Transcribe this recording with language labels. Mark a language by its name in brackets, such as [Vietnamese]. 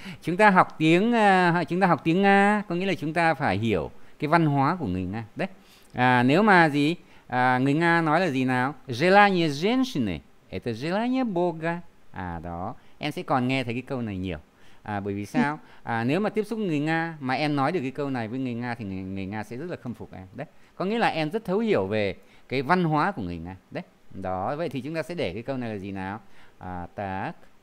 [Vietnamese] Chúng ta học tiếng Nga có nghĩa là chúng ta phải hiểu cái văn hóa của người Nga đấy. À, nếu mà gì à, người Nga nói là gì nào? [Russian] Желание женщины, это желание Бога. [Vietnamese] À đó, em sẽ còn nghe thấy cái câu này nhiều. À, bởi vì sao? À, nếu mà tiếp xúc người Nga mà em nói được cái câu này với người Nga thì người Nga sẽ rất là khâm phục em đấy. Có nghĩa là em rất thấu hiểu về cái văn hóa của người Nga đấy. Đó, vậy thì chúng ta sẽ để cái câu này là gì nào? À, так.